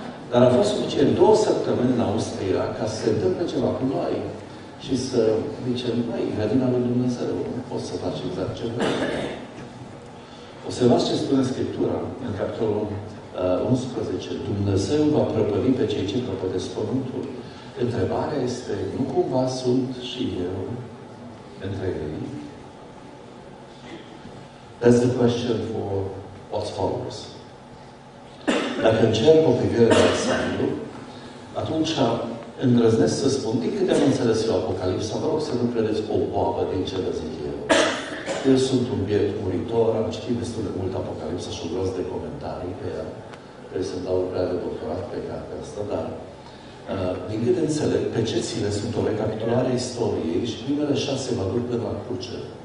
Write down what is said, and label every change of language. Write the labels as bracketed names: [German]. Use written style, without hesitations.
[Romanian] Dar a fost suficient 2 săptămâni în Austria ca să se întâmple ceva cu noi și să zicem, măi, grădina lui Dumnezeu, nu poți să faci exact ce vrei. Observați ce spune Scriptura în capitolul 11. Dumnezeu va prăpădi pe cei ce prăpădesc pământul. Întrebarea este, nu cumva sunt și eu între ei? [English] That's the question for what follows. [Romanian] Dacă încerc o privire de ansamblu, atunci îndrăznesc să spun, din câte am înțeles eu Apocalipsa, vă rog să nu credeți o boabă din ce vă zic eu. Eu sunt un biet muritor, am citit destul de mult Apocalipsa și un gros de comentarii pe ea, trebuie să-mi dau lucrarea de doctorat pe cartea asta, dar din câte înțeleg, pecețile sunt o recapitulare a istoriei și primele 6 mă duc până la cruce.